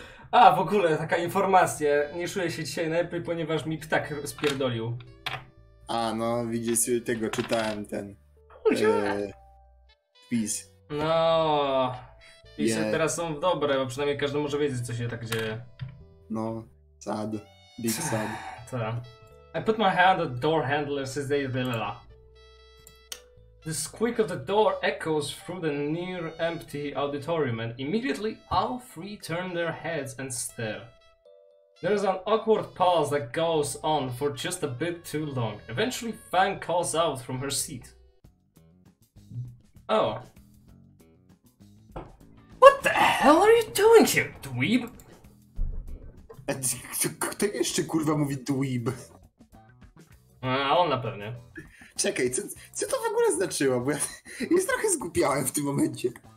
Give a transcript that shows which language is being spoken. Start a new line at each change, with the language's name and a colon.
Polish: A, w ogóle, taka informacja. Nie czuję się dzisiaj najlepiej, ponieważ mi ptak spierdolił. A, no, widzisz, tego czytałem, ten... Chodźmy! Wpis. No. Pisy teraz są dobre, bo przynajmniej każdy może wiedzieć, co się tak dzieje.
English: No, sad. Big sad. I put my hand on the door handle and says, blah. The squeak of the door echoes through the near empty auditorium, and immediately all three turn their heads and stare. There's an awkward pause that goes on for just a bit too long. Eventually, Fang calls out from her seat. Oh. What the hell are you doing here, dweeb?
Polish: Kto jeszcze kurwa mówi dweeb? A on na pewno. Czekaj, co to w ogóle znaczyło? Bo ja jest trochę zgłupiałem w tym momencie.